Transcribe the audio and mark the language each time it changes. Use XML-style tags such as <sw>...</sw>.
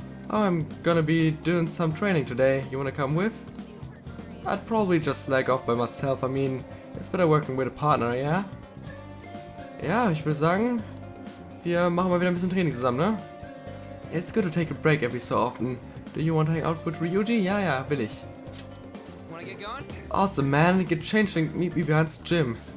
<en>Oh, I'm gonna be doing some training today. You wanna come with? I'd probably just slack off by myself. I mean, it's better working with a partner, yeah?</en> <de>Ja, ich würde sagen, wir machen mal wieder ein bisschen Training zusammen, ne?</de> <en>It's good to take a break every so often. Do you want to hang out with Ryuji?</en> <de>Yeah, yeah, will ich.</de> <en>Wanna get going? Awesome, man. Get changed and meet me behind the gym.</en>